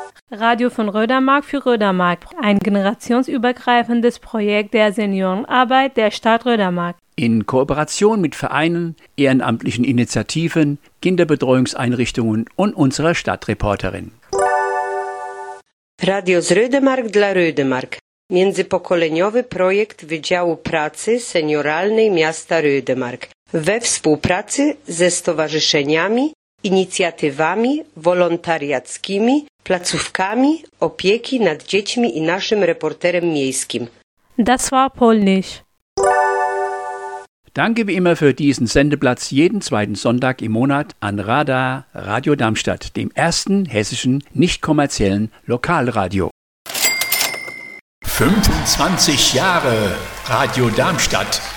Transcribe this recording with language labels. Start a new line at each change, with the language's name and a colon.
German: Radio von Rödermark für Rödermark, ein generationsübergreifendes Projekt der Seniorenarbeit der Stadt Rödermark. In Kooperation mit Vereinen, ehrenamtlichen Initiativen, Kinderbetreuungseinrichtungen und unserer Stadtreporterin.
Polish: Radio z Rödermark dla Rödermark. Międzypokoleniowy projekt Wydziału Pracy Senioralnej Miasta Rödermark. We współpracy ze stowarzyszeniami, inicjatywami wolontariackimi, placówkami opieki nad dziećmi i naszym reporterem miejskim.
German: Das war polnisch. Danke wie immer für diesen Sendeplatz jeden zweiten Sonntag im Monat an Radar Radio Darmstadt, dem ersten hessischen nicht kommerziellen Lokalradio. 25 Jahre Radio Darmstadt.